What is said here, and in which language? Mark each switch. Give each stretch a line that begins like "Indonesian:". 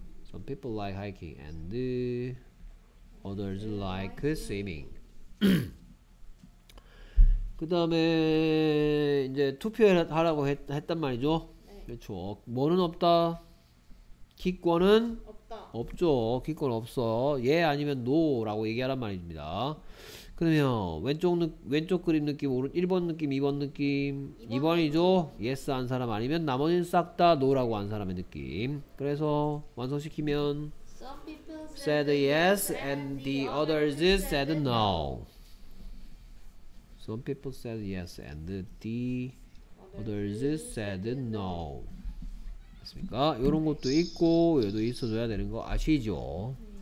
English: Some people like hiking and others like swimming.
Korean: 그 다음에 이제 투표하라고 했단 말이죠. 네. 그렇죠. 뭐는 없다? 기권은? 없다. 없죠. 기권 없어. 예 아니면 no 라고 얘기하란 말입니다. 그러면 왼쪽 그림 느낌, 1번 느낌, 2번 느낌, 2번이죠? 예스 yes 한 사람 아니면 나머지는 싹 다 노라고 한 사람의 느낌. 그래서 완성시키면
English: Some people said yes and the others said no. Some people said yes and the others said no.
Korean: 됐습니까? 이런 것도 있고 얘도 있어줘야 되는 거 아시죠?